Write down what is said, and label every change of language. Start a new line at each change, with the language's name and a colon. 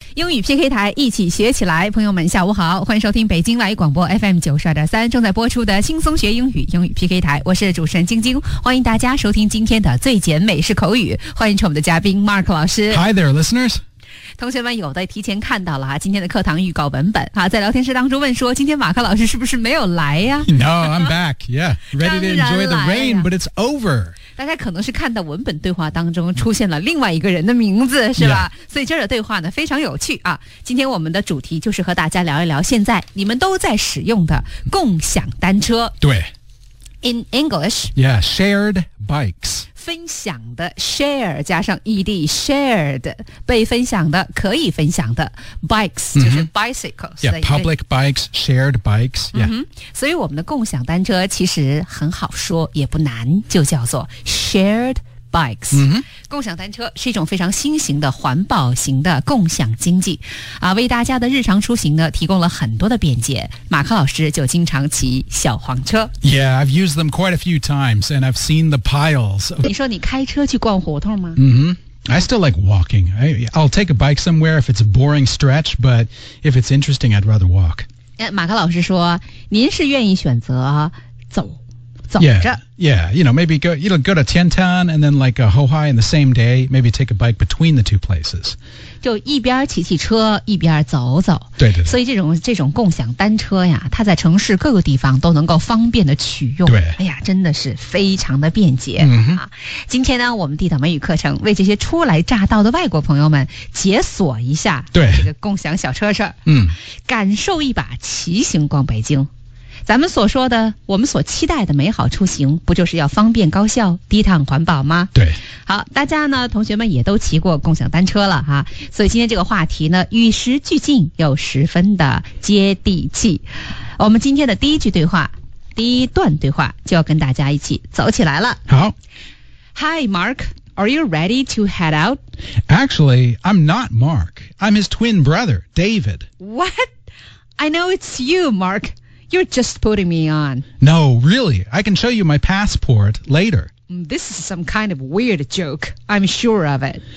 Chinese: 英语 PK 台一起学起来，朋友们下午好，欢迎收听北京外语广播 FM92.3 正在播出的轻松学英语英语 PK 台，我是主持人晶晶，欢迎大家收听今天的最简美式口语，欢迎我们的嘉宾 Mark 老师。
English: Hi there listeners。
Chinese: 同学们有的提前看到了今天的课堂预告文本在聊天室当中问说今天马克老师是不是没有来呀
English: No, I'm back, yeah. Ready to enjoy the rain, but it's over.
Chinese: 大家可能是看到文本对话当中出现了另外一个人的名字是吧、
English: yeah.
Chinese: 所以这儿的对话呢非常有趣啊。今天我们的主题就是和大家聊一聊现在你们都在使用的共享单车。对。
English: In English. Yeah, shared bikes.
Chinese: 分享的 share 加上 ed shared 被分享的可以分享的 bikes、mm-hmm. 就是 bicycles
English: yeah public bikes shared bikes yeah、
Chinese: mm-hmm. 所以我们的共享单车其实很好说也不难就叫做 shared bikes、 mm-hmm. 共享单车是一种非常新型的环保型的共享经济为大家的日常出行呢提供了很多的便捷马克老师就经常骑小黄车
English: Yeah, I've used them quite a few times and I've seen the piles
Chinese: 你说你开车去逛胡同吗、 mm-hmm.
English: I still like walking I'll take a bike somewhere if it's a boring stretch but if it's interesting, I'd rather walk
Chinese: 马克老师说您是愿意选择走
English: Yeah, you know, maybe go to Tiantan and then like a Hohai in the same day, maybe take a bike between the two places.
Chinese: 就一边骑骑车一边走走。对对对。所以这种共享单车呀它在城市各个地方都能够方便的取用。对。哎呀真的是非常的便捷。嗯、今天呢我们地道美语课程为这些初来乍到的外国朋友们解锁一下对这个共享小车车。嗯。感受一把骑行逛北京。咱们所说的我们所期待的美好出行不就是要方便高效低碳环保吗对好大家呢同学们也都骑过共享单车了哈所以今天这个话题呢与时俱进又十分的接地气我们今天的第一句对话第一段对话就要跟大家一起走起来了好
English: Hi Mark Are you ready to head out? Actually I'm not Mark I'm his twin brother David What? I know it's you MarkYou're just putting me on. No, really. I can show you my passport later. This is some kind of weird joke. I'm sure of it.